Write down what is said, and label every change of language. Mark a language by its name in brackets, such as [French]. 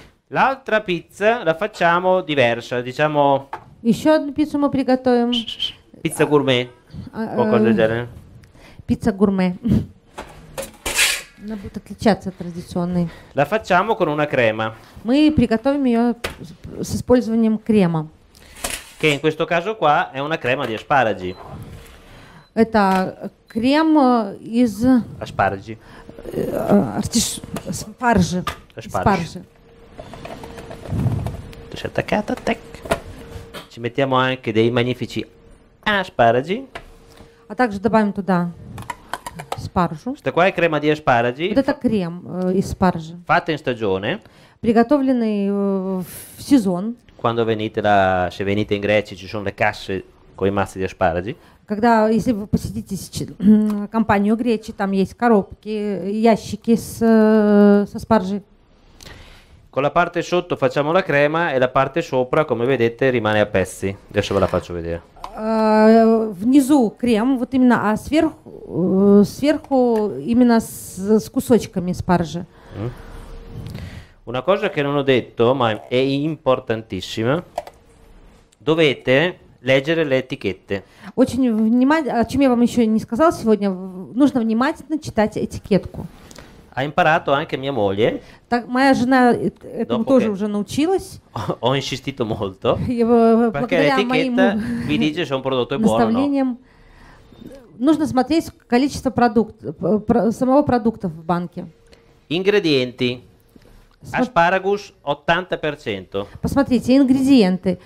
[Italian] L'altra pizza la facciamo diversa, diciamo. [Russian] Еще одну пиццу мы приготовим. Пицца гурме. [Italian] Qualcosa del genere. [Russian] Пицца гурме. Она будет отличаться от традиционной. [Italian] La facciamo con una crema. [Russian] Мы приготовим ее с использованием крема. [Italian] Che in questo caso qua è una crema di asparagi. [Russian] Это крем из. [Italian] Asparagi. [Russian] Спаржи. Спаржи. [Italian] Si è attaccata, tec. Ci mettiamo anche dei magnifici asparagi. [Russian] A также добавим туда спаржу. [Italian] Questa qua è crema di asparagi. Questa è crema di asparagi. Fatta in stagione. [Russian] Приготовлены в сезон. [Italian] Quando venite se venite in Grecia ci sono le casse con i mazzi di asparagi. [Russian] Когда если вы посетите компанию Греции, там есть коробки, ящики с аспаржи. [Italian] Con la parte sotto facciamo la crema e la parte sopra, come vedete, rimane a pezzi. Adesso ve la faccio vedere. [Russian] Внизу крем, вот именно, а сверху именно с кусочками спаржи. [Italian] Una cosa che non ho detto, ma è importantissima. Dovete leggere le etichette. [Russian] Очень внимательно, о чем я вам еще не сказал сегодня, нужно внимательно читать этикетку. [Italian] Ha imparato anche mia moglie. [Russian] Так, моя жена этому тоже уже научилась. [Italian] Ho insistito molto. Perché l'etichetta vi dice se un prodotto è buono o no. [Russian] Нужно смотреть количество самого продукта в банке. [Italian] Ingredienti. Asparagus 80%. [Russian] Посмотрите, ingredienti.